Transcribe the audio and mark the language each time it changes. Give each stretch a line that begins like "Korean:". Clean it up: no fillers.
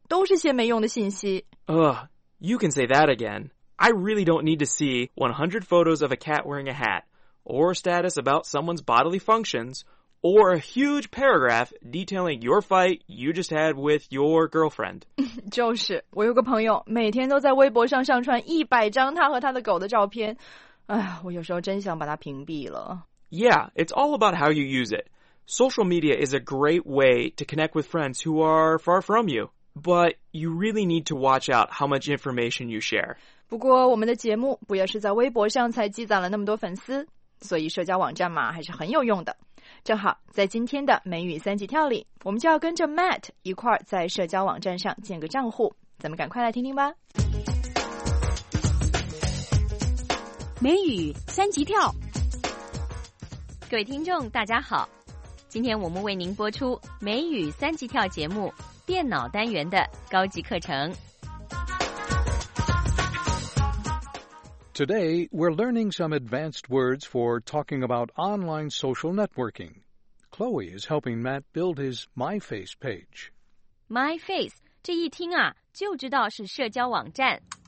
Chinese: 都是些没用的信息。
English: You can say that again. I really don't need to see 100 photos of a cat wearing a hat, or status about someone's bodily functions, or a huge paragraph detailing your fight you just had with your girlfriend.
Chinese: 就是，我有个朋友每天都在微博上上传100张他和他的狗的照片。哎，我有时候真想把他屏蔽了。
English: Yeah, it's all about how you use it. Social media is a great way to connect with friends who are far from you. But you really need to watch out how much information you share.
Chinese: 不过我们的节目不也是在微博上才积攒了那么多粉丝，所以社交网站嘛还是很有用的。正好在今天的美语三级跳里，我们就要跟着 Matt 一块儿在社交网站上建个账户。咱们赶快来听听吧。美语三级跳。各位听众大家好，今天我们为您播出美语三级跳节目电脑单元的高级课程。
English: Today we're learning some advanced words for talking about online social networking. Chloe is helping Matt build his My Face page.
Chinese: My Face 这一听啊就知道是社交网站。